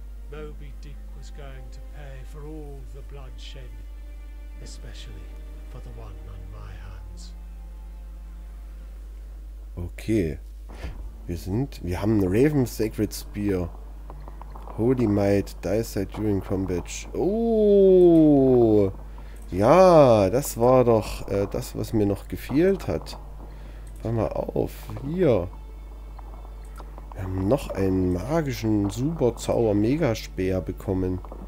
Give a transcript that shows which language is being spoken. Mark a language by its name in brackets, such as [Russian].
[English] Moby Dick was going to pay for all the bloodshed, especially for the one on my hands. Okay. [German] Wir haben einen Raven Sacred Spear. [English] Holy Might, Dice during combat. [German] Oh, ja, das war doch das, was mir noch gefehlt hat. Warte mal auf, hier. haben noch einen magischen Super-Zauber-Megaspeer bekommen.